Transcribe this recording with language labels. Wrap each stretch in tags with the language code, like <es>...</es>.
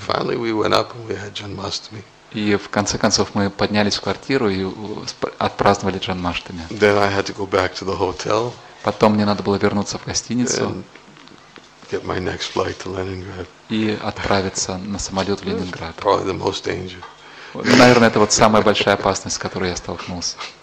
<en>Finally we went up and we had Janmashtami.</en> <ru>И в конце концов мы поднялись в квартиру и отпраздновали Джанмаштами.</ru> <en>Then I had to go back to the hotel.</en> <ru>Потом мне надо было вернуться в гостиницу.</ru> <en>Get my next flight to Leningrad.</en> <ru>И отправиться на самолет в Ленинград.</ru> <en>Probably the most danger.</en> <ru>Наверное, это вот самая большая опасность, с которой я столкнулся.</ru>